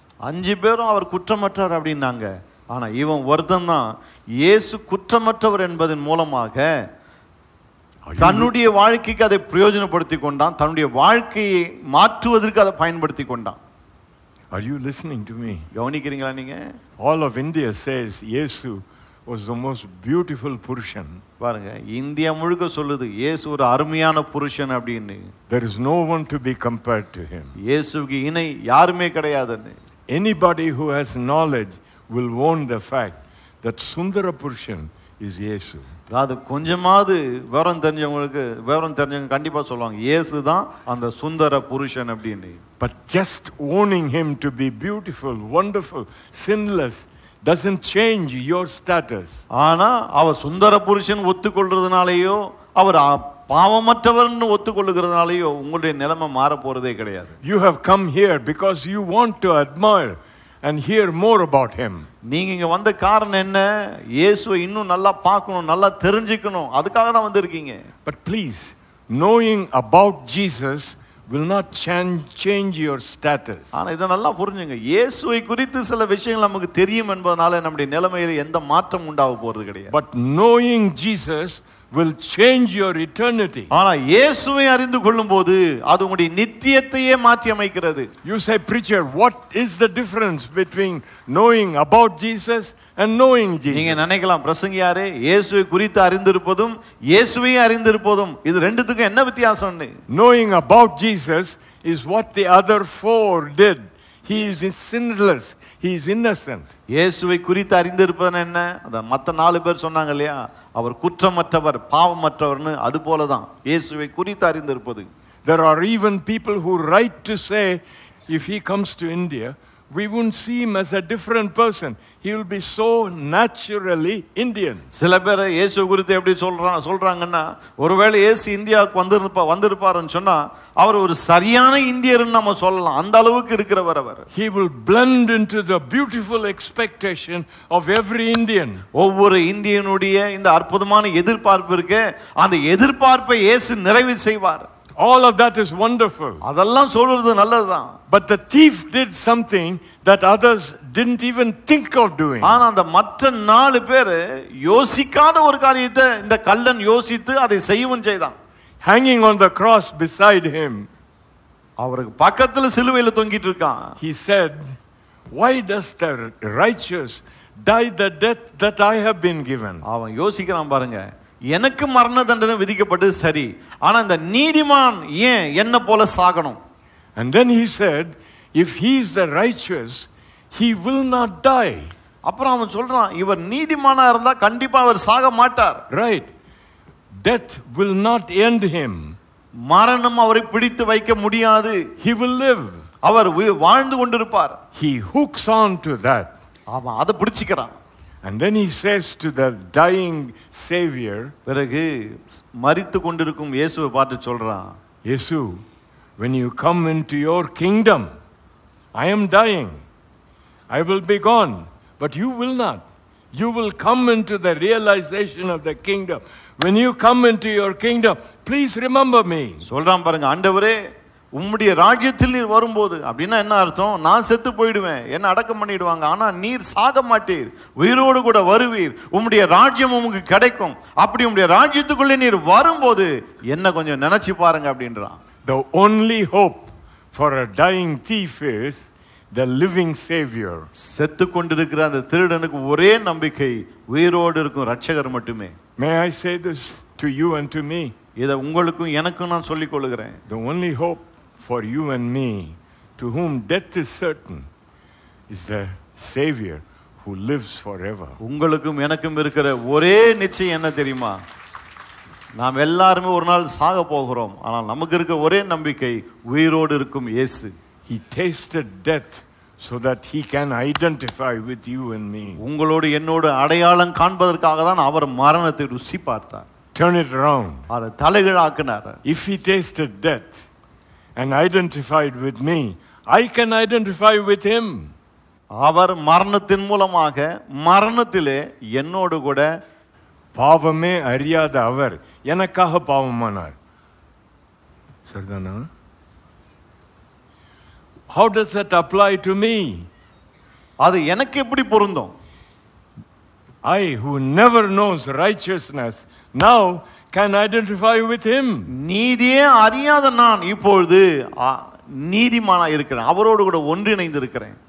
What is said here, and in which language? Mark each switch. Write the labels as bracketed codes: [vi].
[ta] அஞ்சு பேரும் அவர் குற்றமற்றவர் அப்படின்னாங்க, ஆனால் இவன் ஒருத்தன் தான் இயேசு குற்றமற்றவர் என்பதன் மூலமாக தன்னுடைய வாழ்க்கைக்கு அதை பிரயோஜனப்படுத்தி கொண்டான், தன்னுடைய வாழ்க்கையை மாற்றுவதற்கு அதை பயன்படுத்தி கொண்டான். [en] Are you listening to me? [ta] கவனிக்கிறீங்களா நீங்க? [en] All of India says Yesu was the most beautiful Purushan. [ta] பாருங்க, இந்தியா முழுக்க சொல்லுது இயேசு ஒரு அருமையான புருஷன் அப்படின்னு. [en] There is no one to be compared to him. [ta] இயேசுக்கு இணை யாருமே கிடையாதுன்னு. [en] Anybody who has knowledge will own the fact that Sundara Purushan is Yesu. [ta] அது கொஞ்சமாவது விவரம் தெரிஞ்சவங்களுக்கு, விவரம் தெரிஞ்சவங்க கண்டிப்பாக சொல்லுவாங்க, இயேசு தான் அந்த சுந்தர புருஷன் அப்படின்னு. [en] But just owning him to be beautiful, wonderful, sinless doesn't change your status. [ta] ஆனா அவர் சுந்தர புருஷன் ஒத்துக்கொள்றதுனாலேயோ, அவர் பாவமற்றவர்னு ஒத்துக்கொள்ளுகிறதுனாலயோ உங்களுடைய நிலைமை மாற போறதே கிடையாது. [en] You have come here because you want to admire and hear more about him. [ta] நீங்க இங்க வந்த காரணம் என்ன? இயேசுவை இன்னும் நல்லா பார்க்கணும், நல்லா தெரிஞ்சுக்கணும், அதுக்காக தான் வந்திருக்கீங்க. [en] But please, knowing about Jesus will not change your status. [ta] ஆனா இத நல்லா புரிஞ்சுங்க, இயேசுவை குறித்து சில விஷயங்கள் நமக்கு தெரியும் என்பதனால நம்முடைய நிலைமையில எந்த மாற்றம் உண்டாக போறது கிடையாது. [en] But knowing Jesus will change your eternity. [ta] ஆனா இயேசுவை அறிந்து கொள்ளும்போது அது உங்களுடைய நித்தியத்தையே மாற்றி அமைக்கிறது. [en] You say, preacher, what is the difference between knowing about Jesus and knowing Jesus? [ta] நீங்க நினைக்கலாம், பிரசங்கியாரே, இயேசுவை குறித்து அறிந்திருப்பதும் இயேசுவை அறிந்திருப்பதும் இது ரெண்டுத்துக்கும் என்ன வித்தியாசம்னு? [en] Knowing about Jesus is what the other four did. He is sinless, he is innocent. [ta] இயேசுவை குறித்து அறிந்திருப்பதன என்ன, அந்த மற்ற நாலு பேர் சொன்னாங்க இல்லையா, அவர் குற்றமற்றவர் பாவமற்றவர்னு, அது போல தான் இயேசுவை குறித்து அறிந்திருப்பது. [en] There are even people who write to say, if he comes to India, we won't see him as a different person. He will be so naturally Indian. [ta] சில பேர் இயேசு குறித்து எப்படி சொல்றாங்கன்னா, ஒருவேளை இயேசு இந்தியாவுக்கு வந்திருப்பாருன்னு சொன்னா, அவர் ஒரு சரியான இந்தியர்ன்னு நம்ம சொல்லலாம், அந்த அளவுக்கு இருக்கிறவர் அவர். [en] He will blend into the beautiful expectation of every Indian. [ta] ஒவ்வொரு இந்தியனுடைய இந்த அற்புதமான எதிர்பார்ப்பு இருக்கு, அந்த எதிர்பார்ப்பை இயேசு நிறைவு செய்வார். [en] All of that is wonderful. [ta] அதெல்லாம் சொல்றது நல்லதுதான். [en] But the thief did something that others didn't even think of doing. [ta] ஆனா அந்த மற்ற நாலு பேர் யோசிக்காத ஒரு காரியத்தை இந்த கள்ளன் யோசித்து அதை செய்யவும் செய்தான். [en] Hanging on the cross beside him. [ta] அவருக்கு பக்கத்துல சிலுவையில தொங்கிட்டு இருக்கான். [en] He said, why does the righteous die the death that I have been given? [ta] அவன் யோசிக்கிறான் பாருங்க. எனக்கு மரண தண்டனை விதிக்கப்பட்டது சரி, ஆனா இந்த நீதிமான் ஏன் என்ன போல சாகணும்? [en] And then he said, if he is the righteous, he will not die. [ta] அப்புறம் அவன் சொல்றான், இவர் நீதிமானா இருந்தா கண்டிப்பா அவர் சாக மாட்டார். [en] Right. Death will not end him. [ta] மரணம் அவரை பிடித்து வைக்க முடியாது. [en] He will live. [ta] அவர் வாழ்ந்து கொண்டிருப்பார். [en] He hooks on to that. [ta] அவன் அதை பிடிச்சிக்கிறான். [en] And then he says to the dying savior, [ta] பிறகு மரித்து கொண்டிருக்கும் இயேசுவை பார்த்து சொல்றான், [en] இயேசு, when you come into your kingdom, I am dying, I will be gone, but you will not. You will come into the realization of the kingdom. When you come into your kingdom, please remember me. [ta] சொல்றான் பாருங்க, ஆண்டவரே, உம்முடைய ராஜ்யத்தில் நீர் வரும்போது அப்படின்னா என்ன அர்த்தம்? நான் செத்து போயிடுவேன், என்ன அடக்கம் பண்ணிடுவாங்க, ஆனா நீர் சாக மாட்டீர், உயிரோடு கூட வருவீர், உம்முடைய ராஜ்யம் உங்களுக்கு கிடைக்கும். அப்படி உம்முடைய ராஜ்யத்துக்குள்ளே நீர் வரும்போது என்ன கொஞ்சம் நினைச்சு பாருங்க அப்படின்றான். [en] The only hope for a dying thief is the living savior. [ta] செத்து கொண்டிருக்கிற அந்த திருடனுக்கு ஒரே நம்பிக்கை உயிரோடு இருக்கும் இரட்சகர் மட்டுமே. [en] May I say this to you and to me? [ta] இத உங்களுக்கும் எனக்கும் நான் சொல்லிக் கொள்கிறேன். [en] The only hope for you and me, to whom death is certain, is the savior who lives forever. [ta] உங்களுக்கும் எனக்கும் இருக்கிற ஒரே நிச்சயம் என்ன தெரியுமா? நாம் எல்லாரும் ஒரு நாள் சாக போகிறோம், ஆனால் நமக்கு இருக்க ஒரே நம்பிக்கை உயிரோடு இருக்கும் இயேசு. [en] He tasted death so that he can identify with you and me. [ta] உங்களோடு என்னோடு அடையாளம் காண்பதற்காக தான் அவர் மரணத்தை ருசி பார்த்தார். [en] Turn it around. [ta] அதை தலைகளாக்கினார். [en] If he tasted death and identified with me, I can identify with him. [ta] அவர் மரணத்தின் மூலமாக மரணத்திலே என்னோடு கூட. பாவமே அறியாத அவர் எனக்காக பாவமானார். சரிதானா? [en] How does that apply to me? [ta] அது எனக்கு எப்படி பொருந்தும்? [en] I who never knows righteousness now can identify with him. [ta] நீதியே அறியாத நான் இப்பொழுது நீதிமானாக இருக்கிறேன், அவரோடு கூட ஒன்றிணைந்திருக்கிறேன்.